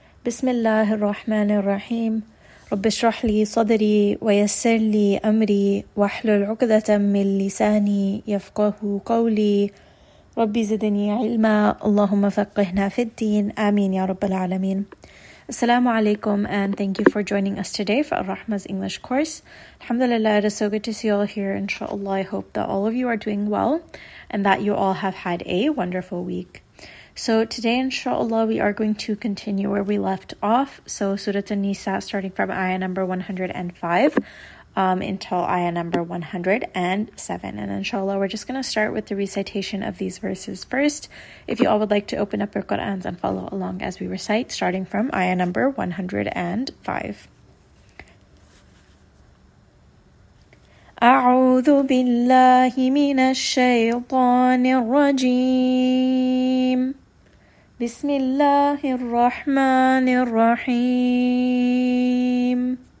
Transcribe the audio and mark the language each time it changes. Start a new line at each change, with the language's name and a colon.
Arabic: بسم الله الرحمن الرحيم. رب اشرح لي صدري ويسر لي أمري واحلل عقدة من لساني يفقه قولي. ربي زدني علما، اللهم فقهنا في الدين، آمين يا رب العالمين.
English: Assalamu alaikum and thank you for joining us today for Rahma's English course. Alhamdulillah, it is so good to see you all here. Inshallah, I hope that all of you are doing well and that you all have had a wonderful week. So today, inshallah, we are going to continue where we left off. So Surah An-Nisa, starting from ayah number 105 until ayah number 107. And inshallah, we're just going to start with the recitation of these verses first. If you all would like to open up your Qur'ans and follow along as we recite, starting from ayah number 105.
Arabic: أعوذ بالله من الشيطان الرجيم بسم الله الرحمن الرحيم